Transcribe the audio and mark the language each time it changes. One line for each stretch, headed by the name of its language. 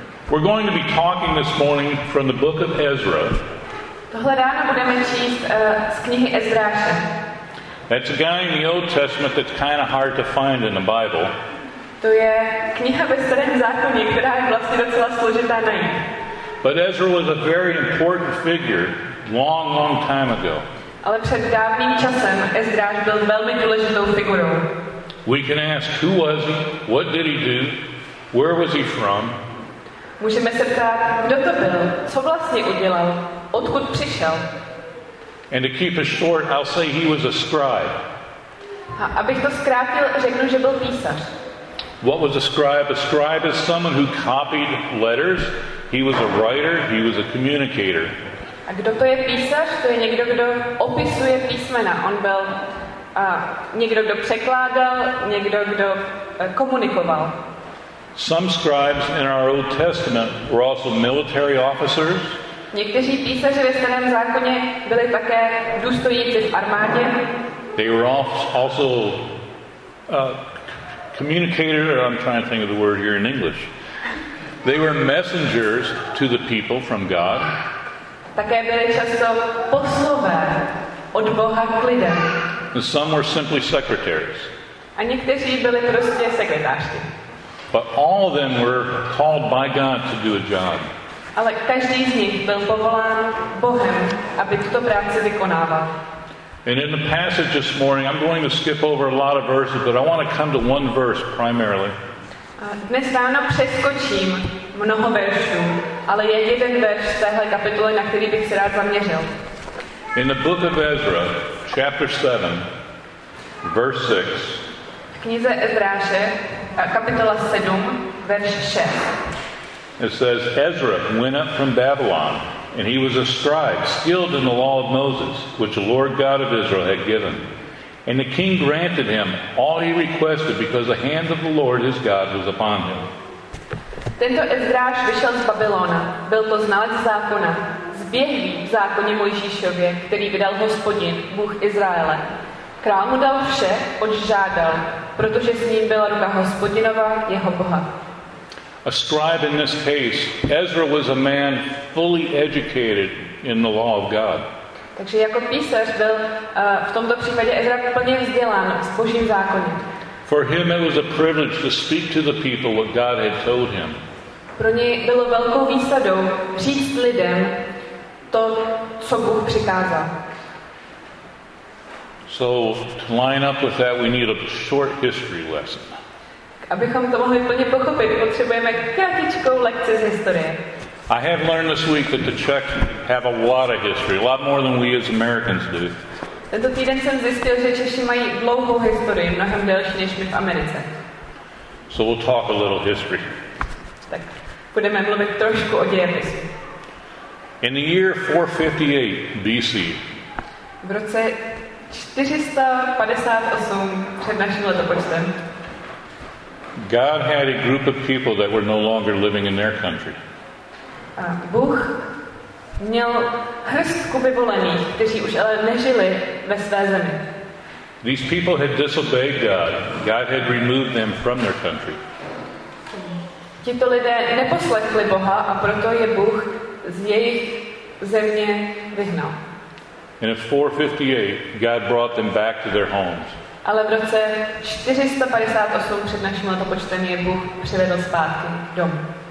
English: We're going to be talking this morning from the book of Ezra.
Czech: Tohle ráno budeme číst z knihy Ezráše.
English: That's a guy in the Old Testament that's kind of hard to find in the Bible.
Czech: To je kniha ve Starém zákoně, která je vlastně docela složitá najít.
English: But Ezra was a very important figure long, long time ago.
Czech: Ale před dávným časem Ezráš byl velmi důležitou figurou.
English: We can ask, who was he? What did he do? Where was he from?
Czech: Můžeme se ptát, kdo to byl, co vlastně udělal, odkud přišel.
English: And to keep it short, I'll say he was a scribe.
Czech: A abych to zkrátil, řeknu, že byl písař.
English: What was a scribe? A scribe is someone who copied letters. He was a writer, he was a communicator.
Czech: A kdo to je písař? To je někdo, kdo opisuje písmena. On byl někdo, kdo překládal, někdo, kdo komunikoval.
English: Some scribes in our Old Testament were also military officers.
Czech: Někteří písaři ve starém zákoně byli také důstojníci v armádě.
English: They were also communicator, I'm trying to think of the word here in English. They were messengers to the people from God.
Czech: Také byli často poslové od Boha k lidem.
English: And some were simply secretaries.
Czech: A někteří byli prostě sekretářky.
English: But all of them were called by God to do a job.
Czech: Ale každý z nich byl povolán Bohem, aby tuto práci vykonával.
English: And in the passage this morning, I'm going to skip over a lot of verses, but I want to come to one verse primarily.
Czech: Dnes ráno přeskočím mnoho veršů, ale je jeden verš z téhle kapitoly, na který bych se rád zaměřil.
English: In the book of Ezra, chapter 7, verse 6.
Czech: V knize Ezráše, kapitola 7, verš 6.
English: It says, Ezra went up from Babylon, and he was a scribe, skilled in the law of Moses, which the Lord God of Israel had given. And the king granted him all he requested, because the hand of the Lord his God was upon him.
Czech: Tento Ezráš vyšel z Babylona. Byl to znalec zákona, zběhlý v zákoně Mojžíšově, který vydal Hospodin, Bůh Izraele. Král mu dal vše, oč žádal, protože s ním byla ruka Hospodinova, jeho Boha.
English: A scribe in this case, Ezra was a man fully educated in the law of God.
Czech: Takže jako písař byl v tomto případě Ezra plně vzdělán v Božím zákoně.
English: For him it was a privilege to speak to the people what God had told him.
Czech: Pro něj bylo velkou výsadou říct lidem to, co Bůh přikázal.
English: So to line up with that, we need a short history lesson.
Czech: Abychom to mohli plně pochopit, potřebujeme krátkou lekci z historie.
English: I have learned this week that the Czechs have a lot of history, a lot more than we as Americans do.
Czech: Tento týden jsem zjistil, že Češi mají dlouhou historii, mnohem delší než my v Americe.
English: So we'll talk a little history.
Czech: Tak budeme mluvit trošku o dějepisu.
English: In the year 458 BC.
Czech: V roce 458 před naším letopočtem.
English: God had a group of people that were no longer living in their country.
Czech: Bůh měl hrstku vyvolených, kteří už ale nežili ve své zemi.
English: These people had disobeyed God. God had removed them from their country.
Czech: Tito lidé neposlechli Boha, a proto je Bůh z jejich země vyhnal.
English: And in 458, God brought them back to their homes.
Czech: Ale v roce 458 před naším letopočtem je Bůh přivedl zpátky domů.